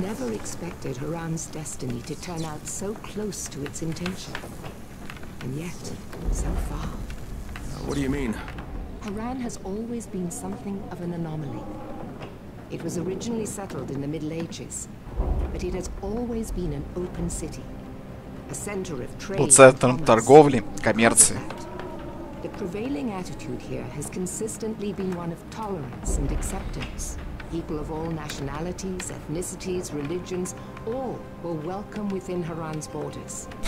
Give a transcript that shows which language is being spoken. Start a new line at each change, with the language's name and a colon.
English: Never expected Haran's destiny to turn out so close to its intention. And yet, so far. What do you mean? Haran has always been something of an anomaly. It was originally settled in the Middle Ages, but it has always been an open city, a center of trade.
Russian: Центром торговли, коммерции.
English: The prevailing attitude here has consistently been one of tolerance and acceptance. People of all nationalities, ethnicities, religions, all were welcome within Haran's borders.